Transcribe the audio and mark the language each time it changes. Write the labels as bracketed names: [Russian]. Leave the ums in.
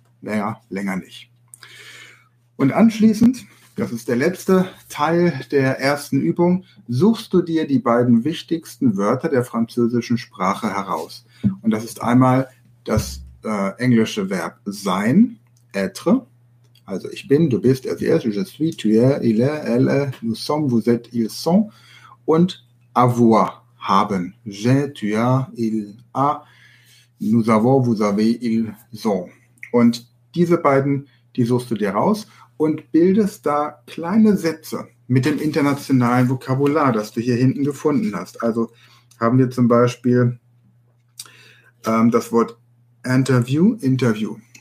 [German] Naja, länger nicht. Und anschließend, das ist der letzte Teil der ersten Übung, suchst du dir die beiden wichtigsten Wörter der französischen Sprache heraus. Und das ist einmal das äh, englische Verb sein, être, also ich bin, du bist, er, sie ist, [French] je suis, tu es, il est, elle est, nous sommes, vous êtes, ils sont, [German] und avoir, haben. [French] Je, tu as, il a, nous avons, vous avez, ils ont. [German] Und diese beiden, die suchst du dir raus und bildest da kleine Sätze mit dem internationalen Vokabular, das du hier hinten gefunden hast. Also haben wir zum Beispiel ähm, das Wort Interview, Interview.